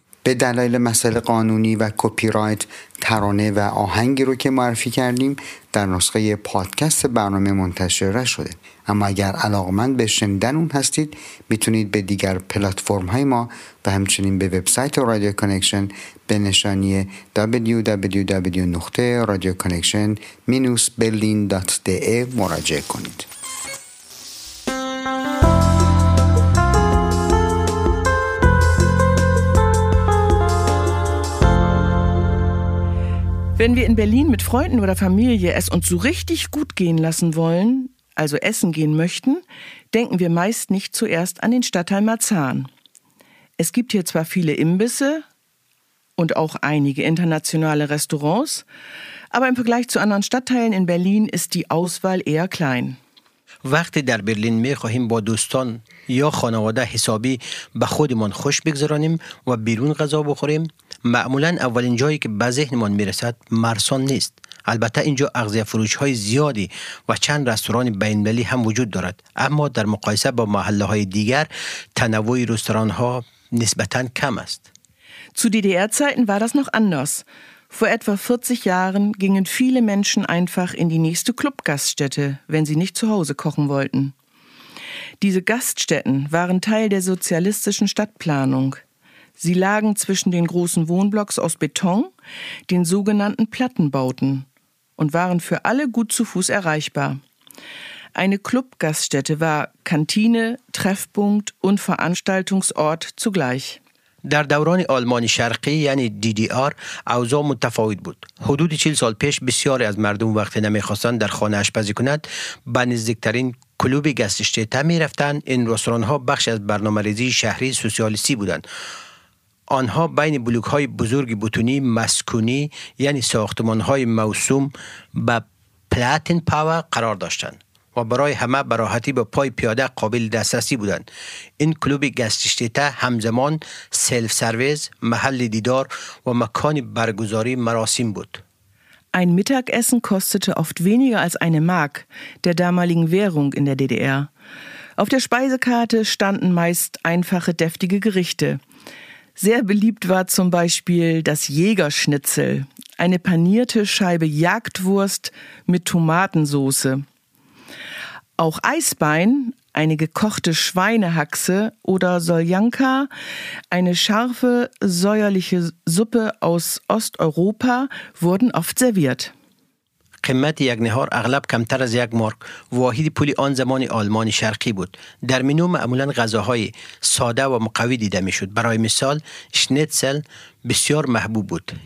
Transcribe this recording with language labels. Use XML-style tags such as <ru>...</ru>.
<fa>به دلایل مسئله قانونی و کپی‌رایت ترانه و آهنگی رو که معرفی کردیم در نسخه پادکست برنامه منتشر شده. اما اگر علاقمند به شنیدن اون هستید میتونید به دیگر پلتفرم های ما و همچنین به وبسایت رادیو کانکشن به نشانی www.radioconnection-berlin.de مراجعه کنید.</fa> <de>Wenn wir in Berlin mit Freunden oder Familie es uns so richtig gut gehen lassen wollen, also essen gehen möchten, denken wir meist nicht zuerst an den Stadtteil Marzahn. Es gibt hier zwar viele Imbisse und auch einige internationale Restaurants, aber im Vergleich zu anderen Stadtteilen in Berlin ist die Auswahl eher klein.</de> <fa>وقتی در برلین می خواهیم با دوستان یا خانواده حسابی به خودمان خوش بگذرانیم و بیرون غذا بخوریم، معمولا اولین جایی که به ذهنمان می رسد مارسان نیست. البته اینجا اغذیه فروش های زیادی و چند رستوران بین المللی هم وجود دارد. اما در مقایسه با محله های دیگر تنوع رستوران ها نسبتا کم است.</fa> <de>Zu DDR-Zeiten war das noch anders. Vor etwa 40 Jahren gingen viele Menschen einfach in die nächste Clubgaststätte, wenn sie nicht zu Hause kochen wollten. Diese Gaststätten waren Teil der sozialistischen Stadtplanung. Sie lagen zwischen den großen Wohnblocks aus Beton, den sogenannten Plattenbauten, und waren für alle gut zu Fuß erreichbar. Eine Club-Gaststätte war Kantine, Treffpunkt und Veranstaltungsort zugleich.</de> <fa>در دوران آلمان شرقی یعنی DDR اوضاع متفاوت بود. حدود 40 سال پیش بسیاری از مردم وقتی نمیخواستند در خانه آشپزی کنند به نزدیکترین کلوب گاستشته می رفتند. این رستوران ها بخش از برنامه‌ریزی شهری سوسیالیستی بودند. آنها بین بلوک های بزرگ بتونی مسکونی یعنی ساختمان های موسوم به پلاتین پاور قرار داشتند. و برای همه براحتی به پای پیاده قابل دسترسی بودند. این کلوب گاستشته همزمان سلف سرویس، محل دیدار و مکان برگزاری مراسم بود.</fa> <de>Ein Mittagessen kostete oft weniger als eine Mark der damaligen Währung in der DDR. Auf der Speisekarte standen meist einfache deftige Gerichte. Sehr beliebt war zum Beispiel das Jägerschnitzel, eine panierte Scheibe Jagdwurst mit Tomatensauce. Auch Eisbein, eine gekochte Schweinehaxe, oder Soljanka, eine scharfe, säuerliche Suppe aus Osteuropa, wurden oft serviert.</de> <fa>قیمت یک نهار اغلب کمتر از یک مارک واحد پول آن زمان آلمان شرقی بود. در منو معمولا غذاهای ساده و مقوی دیده می شد. برای مثال شنیتسل بسیار محبوب بود.</fa>